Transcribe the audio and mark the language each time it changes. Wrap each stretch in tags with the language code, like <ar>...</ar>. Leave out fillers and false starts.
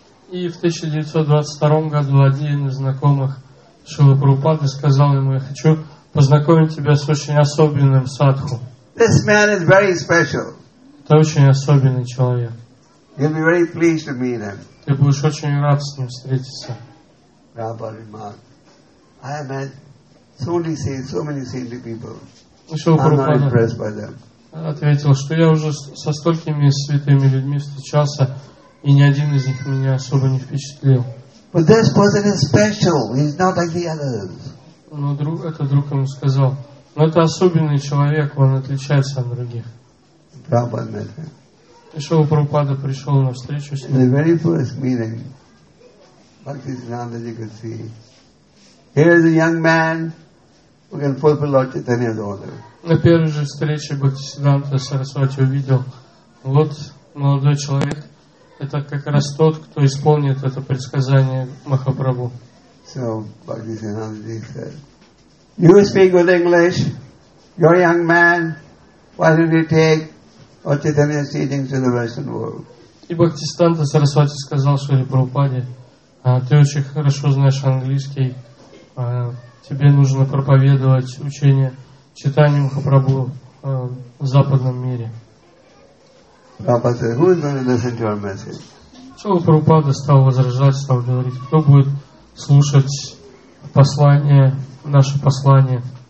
<ru>И в 1922 году один из знакомых Шрилы Прабхупады сказал ему, я хочу познакомить тебя с очень особенным садху.</ru> <en>This man is very special.</en> <ru>Это очень особенный человек.</ru> <en>You'll be very pleased to meet him.</en> <ru>Ты будешь очень рад с ним встретиться.</ru> <en>Prabhupada remarked, I have met so many saintly people.</en> <ru>Шрила ответил, что я уже со столькими святыми людьми встречался, и ни один из них меня особо не впечатлил.</ru> <en>But this person is special. He's not like the others.</en> <ru>Но друг, это друг ему сказал, но это особенный человек, он отличается от других. И Шрила Прабхупада пришел на встречу с ним.</ru> <en>In the very first meeting, Bhaktisiddhanta, you could see, here is a young man. We can fulfill Lord Chaitanya's order.</en> <ru>На первой же встрече Бхактисиддханта Сарасвати увидел, вот молодой человек, это как раз тот, кто исполнит это предсказание Махапрабху.</ru> <en>So Bhaktisiddhanta said, "You speak good English. You're a young man. Why don't you take What Chaitanya is teaching to the Western world.</en> <ru>И Бхактистанта Сарасвати сказал Шри Прабхупаде, ты очень хорошо знаешь английский, тебе нужно проповедовать учение Чайтанья Махапрабху в западном мире. Шрила Прабхупада стал возражать, стал говорить, кто будет слушать послание, наше послание.</ru>